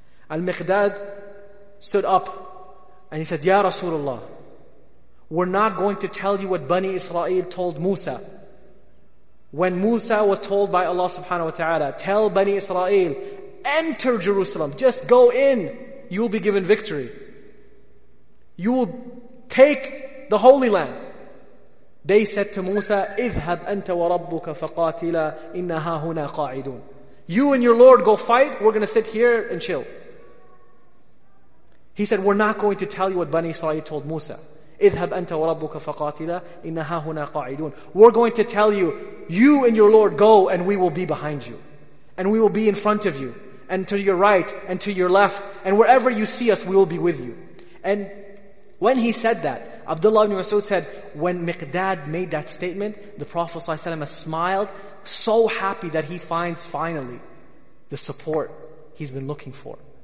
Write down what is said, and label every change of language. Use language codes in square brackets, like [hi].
[en] Al-Miqdad stood up and he said, Ya Rasulullah, we're not going to tell you what Bani Israel told Musa. When Musa was told by Allah subhanahu wa ta'ala, tell Bani Israel, enter Jerusalem, just go in, you will be given victory. You will take the Holy Land. They said to Musa, [ar] اذهب أنت وربك فقاتلا إن هاهنا قاعدون. [en] You and your Lord go fight, we're going to sit here and chill. He said, we're not going to tell you what Bani Israel told Musa. [ar] اذهب أنت وربك فقاتلا إن هاهنا قاعدون. [en] We're going to tell you, you and your Lord go and we will be behind you. And we will be in front of you. And to your right and to your left. And wherever you see us, we will be with you. And when he said that, Abdullah ibn Mas'ud said, when Miqdad made that statement, the Prophet ﷺ smiled, so happy that he finds finally the support he's been looking for.